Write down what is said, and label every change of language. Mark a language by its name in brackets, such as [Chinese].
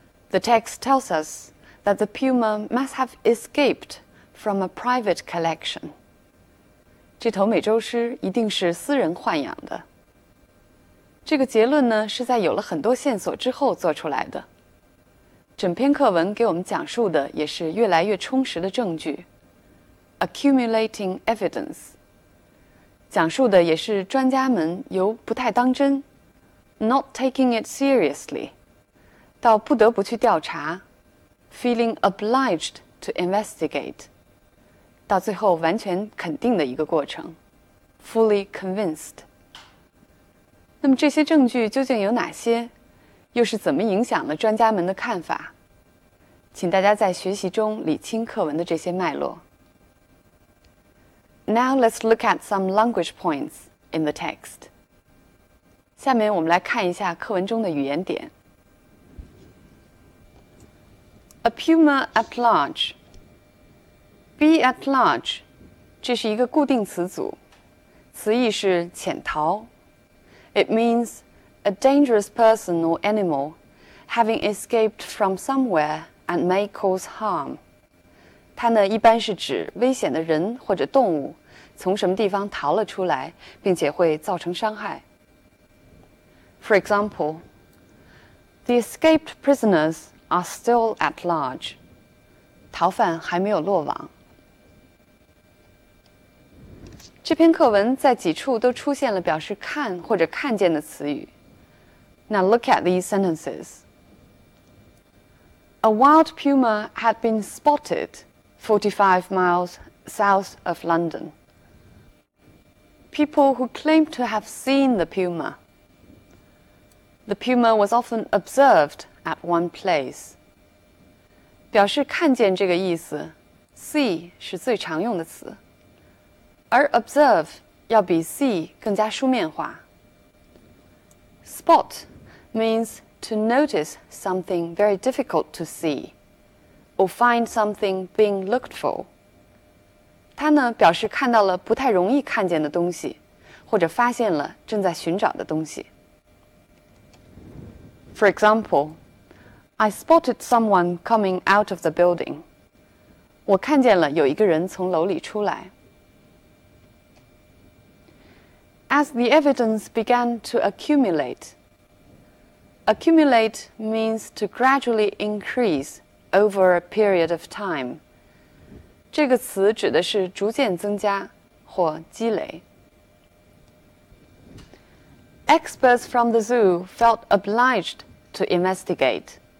[English] The text tells us that the puma must have escaped from a private collection. [Chinese] 这头美洲狮一定是私人豢养的。这个结论呢，是在有了很多线索之后做出来的。整篇课文给我们讲述的也是越来越充实的证据 [English] ,accumulating evidence。 [Chinese] 讲述的也是专家们由不太当真 [English] ,not taking it seriously, [Chinese] 到不得不去调查 [English] ,feeling obliged to investigate, [Chinese] 到最后完全肯定的一个过程 ,fully convinced。那么这些证据究竟有哪些又是怎么影响了专家们的看法请大家在学习中理清课文的这些脉络。 [English] Now let's look at some language points in the text. [Chinese] 下面我们来看一下课文中的语言点。 [English] A puma at large. Be at large. [Chinese] 这是一个固定词组。词义是潜逃。 [English] It means a dangerous person or animal having escaped from somewhere and may cause harm. [Chinese] 它呢一般是指危险的人或者动物从什么地方逃了出来并且会造成伤害。 [English] For example, the escaped prisoners are still at large. [Chinese] 逃犯还没有落网。这篇课文在几处都出现了表示看或者看见的词语。 [English] Now look at these sentences. A wild puma had been spotted 45 miles south of London. People who claimed to have seen the puma. The puma was often observed at one place. [Chinese] 表示看见这个意思 ,see 是最常用的词。而 observe 要比 see 更加书面化。 [English] Spot means to notice something very difficult to see, or find something being looked for. [Chinese] 它呢表示看到了不太容易看见的东西，或者发现了正在寻找的东西。 [English] For example, I spotted someone coming out of the building. [Chinese] 我看见了有一个人从楼里出来。 [English] As the evidence began to accumulate means to gradually increase over a period of time. [Chinese] 这个词指的是逐渐增加或积累。 [English] Experts from the zoo felt obliged to investigate.